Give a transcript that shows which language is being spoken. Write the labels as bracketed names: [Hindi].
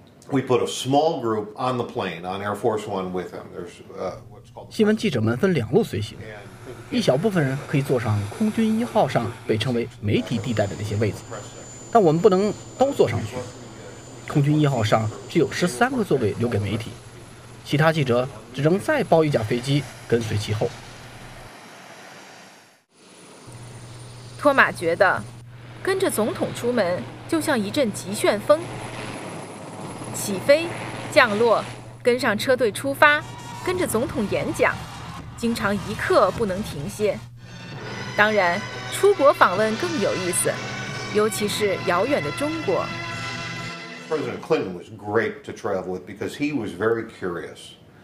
[English] We put a small group on the plane on Air Force One with him. There's what's called. [Chinese] 新闻记者们分两路随行。一小部分人可以坐上空军一号上被称为媒体地带的那些位子，但我们不能都坐上去。空军一号上只有13个座位留给媒体，其他记者只能再包一架飞机跟随其后。托马觉得跟着总统出门就像一阵急旋风，起飞、降落、跟上车队出发、跟着总统演讲，经常一刻不能停歇。当然，出国访问更有意思，尤其是遥远的中国。 [English] President Clinton was great to travel with because he was very curious.